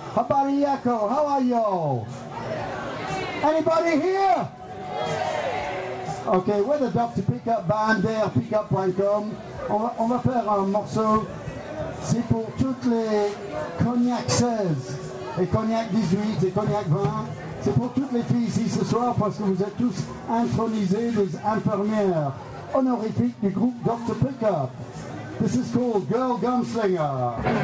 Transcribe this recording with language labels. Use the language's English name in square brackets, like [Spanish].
[Swahili] Habari Yako, [English] how are y'all? Anybody here? Okay, we're the Dr. Pickup Band there, pickup.com. [French] On va faire un morceau. C'est pour toutes les Cognac 16 et Cognac 18 et Cognac 20. C'est pour toutes les filles ici ce soir parce que vous êtes tous intronisés des infirmières honorifiques du groupe Dr. Pickup. [English] This is called Girl Gunslinger.